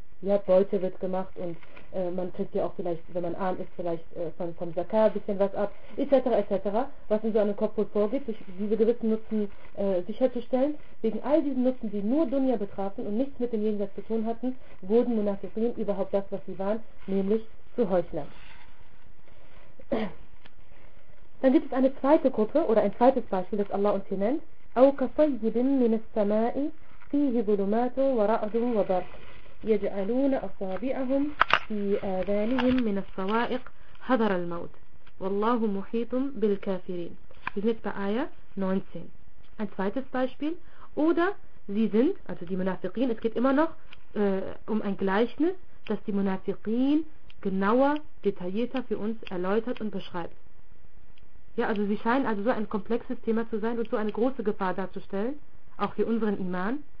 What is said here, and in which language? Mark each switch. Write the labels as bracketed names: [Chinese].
[German] Ja, Beute wird gemacht und man kriegt ja auch vielleicht, wenn man arm ist, vielleicht vom Zakat ein bisschen was ab, etc., etc., was in so einem Kopf wohl vorgeht, sich diese gewissen Nutzen sicherzustellen. Wegen all diesen Nutzen, die nur Dunya betrafen und nichts mit dem Jenseits zu tun hatten, wurden Munafiqin überhaupt das, was sie waren, nämlich zu Heuchlern. Dann gibt es eine zweite Gruppe oder ein zweites Beispiel, das Allah uns hier nennt. [Arabic] أو كصيب من السماء فيه ظلمات ورعد وبرق يجعلون أصابعهم في آذانهم من الصواعق حذر الموت والله محيط بالكافرين. [German] Wir sind bei Aya 19. Ein zweites Beispiel. Oder sie sind, also die Munafiqin, es geht immer noch um ein Gleichnis, das die Munafiqin genauer, detaillierter für uns erläutert und beschreibt. Ja, also sie scheinen also so ein komplexes Thema zu sein und so eine große Gefahr darzustellen, auch für unseren Iman.